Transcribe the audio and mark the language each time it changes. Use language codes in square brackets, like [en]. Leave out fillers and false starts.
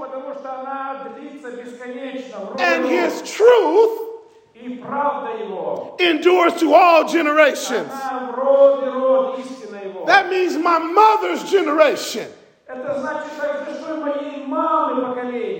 [ru] Потому что она длится бесконечно. [en] And His truth [ru] и правда его [en] endures to all generations. [ru] Она в род и род, истина его. [en] That means my mother's generation. [ru] Это значит, что и моей мамы поколение.